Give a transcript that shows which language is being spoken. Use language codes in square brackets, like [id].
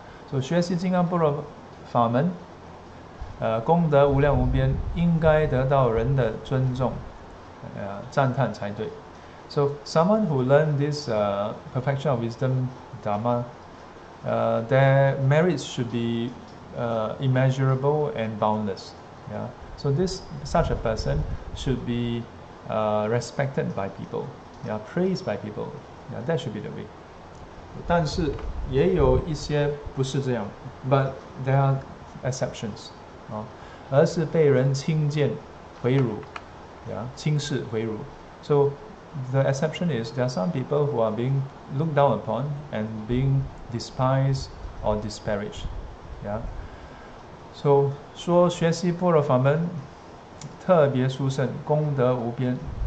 [zh] So 学习金刚般若法门。功德无量无边，应该得到人的尊重，赞叹才对。 [en] So someone who learned this perfection of wisdom dharma, their merits should be immeasurable and boundless. So this such a person should be respected by people, praised by people. That should be the way. [zh] 但是也有一些不是这样， [en] but there are exceptions. [zh] 而是被人轻贱、毁辱，轻视、毁辱。 [en] So the exception is there are some people who are being looked down upon and being despised or disparaged. [zh] So 说学习般若法门特别殊胜，功德无边。